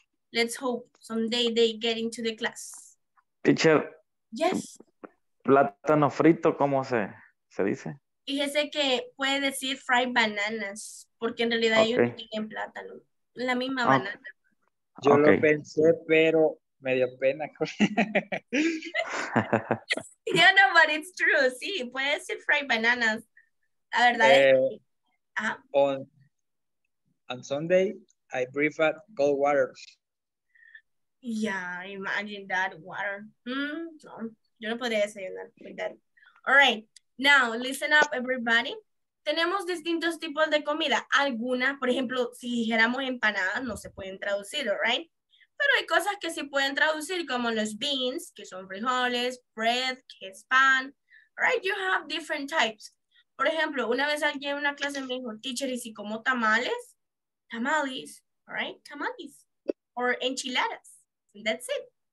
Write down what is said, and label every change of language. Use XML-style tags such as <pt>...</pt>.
<en>Let's hope someday they get into the class. Teacher. Yes.</en> <es>Plátano frito, ¿cómo se dice? Fíjese que puede decir</es> <en>fried bananas,</en> <es>porque en realidad ellos no tienen plátano. La misma banana. Yo lo pensé, pero me dio pena.</es> <en>You know, but it's true.</en> <es>Sí, puede decir</es> <en>fried bananas.</en> <es>La verdad es que...</es> <en>Ajá. On Sunday, I breakfast cold water. Yeah, imagine that water.</en> <es>Yo no podría desayunar</es> <en>with that. All right, now listen up, everybody.</en> <es>Tenemos distintos tipos de comida. Algunas, por ejemplo, si dijéramos empanadas, no se pueden traducir,</es> <en>all right?</en> <es>Pero hay cosas que sí pueden traducir, como los beans, que son frijoles, bread, que es pan,</es> <en>all right? You have different types.</en> <es>Por ejemplo, una vez alguien en una clase me dijo, teacher, ¿y si como tamales?</es> <en>Tamales, all right, tamales, or enchiladas, and that's it.</en>